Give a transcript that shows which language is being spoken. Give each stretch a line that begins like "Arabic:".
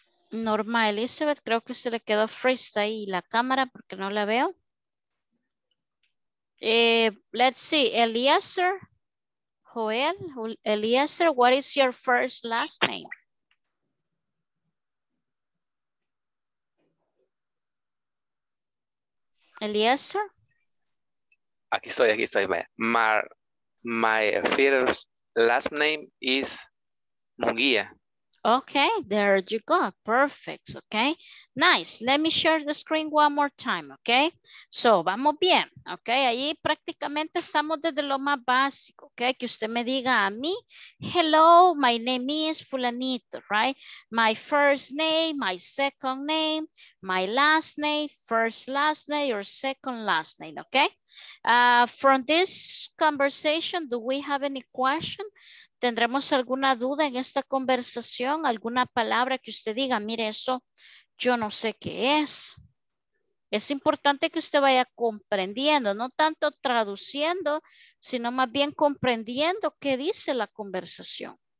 Spanish: Norma Elizabeth, creo que se le quedó freeze ahí la cámara porque no la veo.
English: Let's see, Eliezer, Joel, Eliezer, what is your first last name? Eliezer?
Spanish: Aquí estoy,
English: my first last name is Munguía. Okay, there you go. Perfect. Okay, nice. Let me share the screen one more time.
Spanish: Okay, so vamos bien. Okay, ahí prácticamente estamos desde lo más básico.
English: Okay,
Spanish: que usted me diga a mí,
English: hello, my name is Fulanito, right? My first name, my second name, my last name, first last name, or second last name. Okay, from this conversation, do we have any question?
Spanish: ¿Tendremos alguna duda en esta conversación? ¿Alguna palabra que usted diga, mire, eso yo no sé qué es? Es importante que usted vaya comprendiendo, no tanto traduciendo, sino más bien comprendiendo qué dice la conversación.